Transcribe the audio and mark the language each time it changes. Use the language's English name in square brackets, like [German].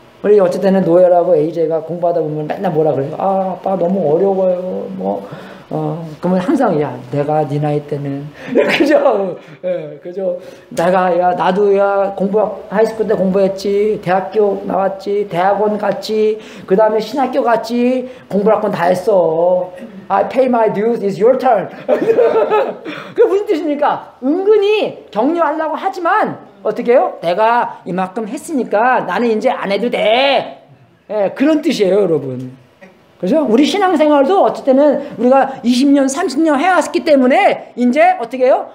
[Korean] 우리 어쨌든 노엘하고 AJ가 공부하다 보면 맨날 뭐라 그래요? 아, 아빠 너무 어려워요. 뭐. 그러면 항상, 야, 내가 네 나이 때는. 그죠? 예, 그죠? 내가, 야, 나도, 야, 공부, 하이스쿨 때 공부했지, 대학교 나왔지, 대학원 갔지, 그 다음에 신학교 갔지, 공부할 건 다 했어. [English] I pay my dues, it's your turn. [Korean] 그게 무슨 뜻입니까? 은근히 격려하려고 하지만, 어떻게 해요? 내가 이만큼 했으니까 나는 이제 안 해도 돼. 예, 그런 뜻이에요, 여러분. 그죠? 우리 신앙생활도 어쨌든 우리가 20년, 30년 해왔기 때문에 이제 어떻게 해요?